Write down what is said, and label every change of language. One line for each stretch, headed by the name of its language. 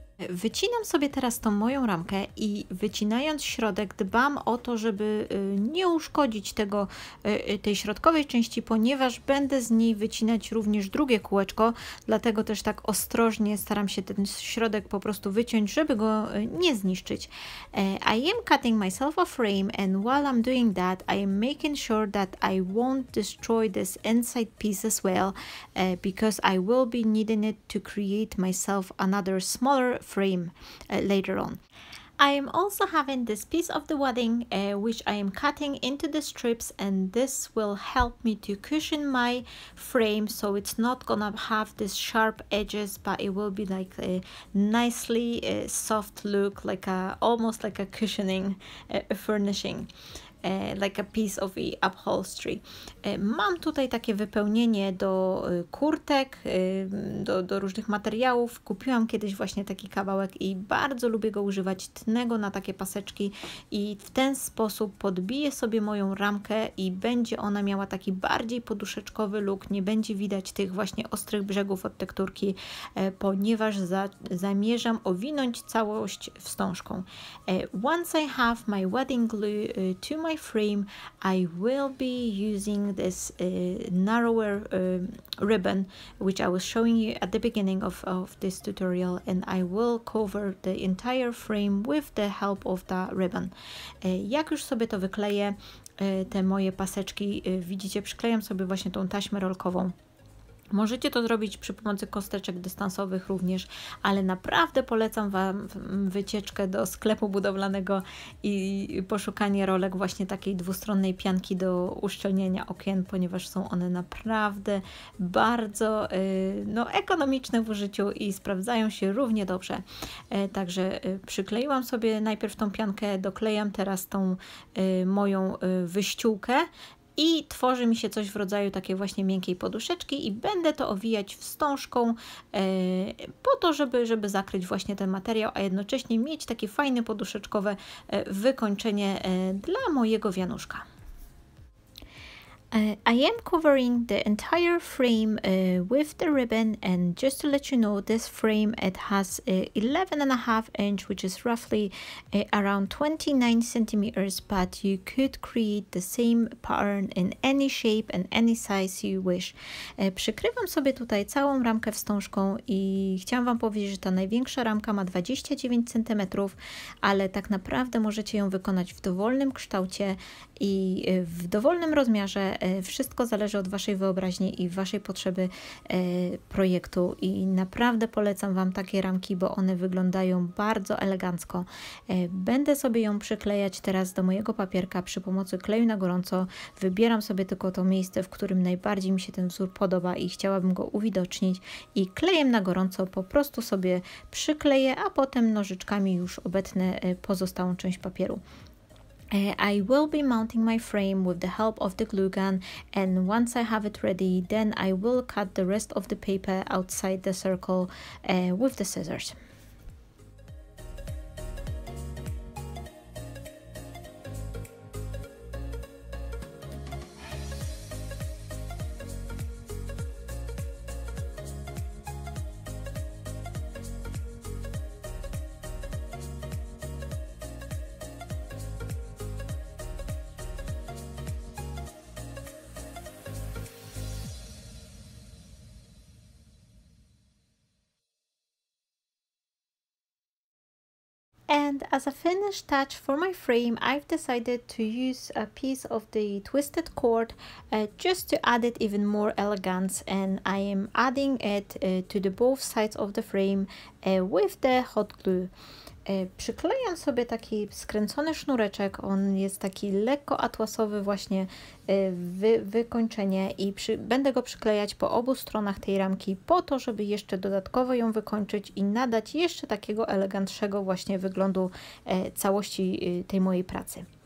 Polish: Wycinam sobie teraz tą moją ramkę i wycinając środek dbam o to, żeby nie uszkodzić tego, tej środkowej części, ponieważ będę z niej wycinać również drugie kółeczko, dlatego też tak ostrożnie staram się ten środek po prostu wyciąć, żeby go nie zniszczyć.
English: I am cutting myself a frame and while I'm doing that, I am making sure that I won't destroy this inside piece as well, because I will be needing it to create myself another smaller frame. Later on. I am also having this piece of the wadding which I am cutting into the strips and this will help me to cushion my frame so it's not gonna have these sharp edges but it will be like a nicely soft look, like a almost like a cushioning furnishing. Like a piece of the upholstery.
Polish: Mam tutaj takie wypełnienie do kurtek, do różnych materiałów. Kupiłam kiedyś właśnie taki kawałek i bardzo lubię go używać, tnę go na takie paseczki i w ten sposób podbiję sobie moją ramkę i będzie ona miała taki bardziej poduszeczkowy look, nie będzie widać tych właśnie ostrych brzegów od tekturki, ponieważ zamierzam owinąć całość wstążką.
English: Once I have my wedding glue to my frame, I will be using this narrower ribbon which I was showing you at the beginning of this tutorial and I will cover the entire frame with the help of the ribbon.
Polish: Jak już sobie to wykleję, te moje paseczki, widzicie, przyklejam sobie właśnie tą taśmę rolkową. Możecie to zrobić przy pomocy kosteczek dystansowych również, ale naprawdę polecam Wam wycieczkę do sklepu budowlanego i poszukanie rolek właśnie takiej dwustronnej pianki do uszczelnienia okien, ponieważ są one naprawdę bardzo no, ekonomiczne w użyciu i sprawdzają się równie dobrze. Także przykleiłam sobie najpierw tą piankę, doklejam teraz tą moją wyściółkę i tworzy mi się coś w rodzaju takiej właśnie miękkiej poduszeczki i będę to owijać wstążką po to, żeby zakryć właśnie ten materiał, a jednocześnie mieć takie fajne poduszeczkowe wykończenie dla mojego wianuszka.
English: I am covering the entire frame with the ribbon, and just to let you know, this frame, it has 11.5 inch, which is roughly around 29 centimeters, but you could create the same pattern in any shape and any size you wish.
Polish: Przykrywam sobie tutaj całą ramkę wstążką i chciałam wam powiedzieć, że ta największa ramka ma 29 cm, ale tak naprawdę możecie ją wykonać w dowolnym kształcie i w dowolnym rozmiarze. Wszystko zależy od waszej wyobraźni i waszej potrzeby projektu i naprawdę polecam wam takie ramki, bo one wyglądają bardzo elegancko. Będę sobie ją przyklejać teraz do mojego papierka przy pomocy kleju na gorąco. Wybieram sobie tylko to miejsce, w którym najbardziej mi się ten wzór podoba i chciałabym go uwidocznić, i klejem na gorąco po prostu sobie przykleję, a potem nożyczkami już obetnę pozostałą część papieru.
English: I will be mounting my frame with the help of the glue gun, and once I have it ready, then I will cut the rest of the paper outside the circle with the scissors. And as a finished touch for my frame, I've decided to use a piece of the twisted cord just to add it even more elegance, and I am adding it to the both sides of the frame with the hot glue.
Polish: Przyklejam sobie taki skręcony sznureczek, on jest taki lekko atłasowy właśnie wykończenie i będę go przyklejać po obu stronach tej ramki po to, żeby jeszcze dodatkowo ją wykończyć i nadać jeszcze takiego elegantszego właśnie wyglądu całości tej mojej pracy.